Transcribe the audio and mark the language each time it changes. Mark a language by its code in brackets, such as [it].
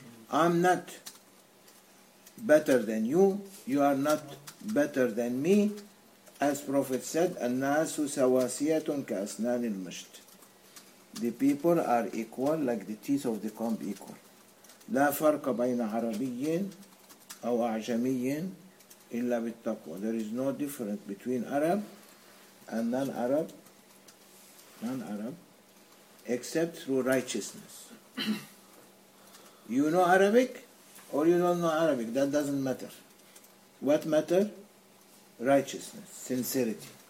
[en] I'm not better than you. You are not better than me. As Prophet said, [ar] "An-nasu sawasiyatun ka asnan al-masht." [en] The people are equal, like the teeth of the comb equal. [ar] لا فرق بين عربي أو أعجمي إلا بالتقوى. [en] There is no difference between Arab and non-Arab, except through righteousness. You know Arabic or you don't know Arabic, that doesn't matter. What matter? Righteousness, sincerity.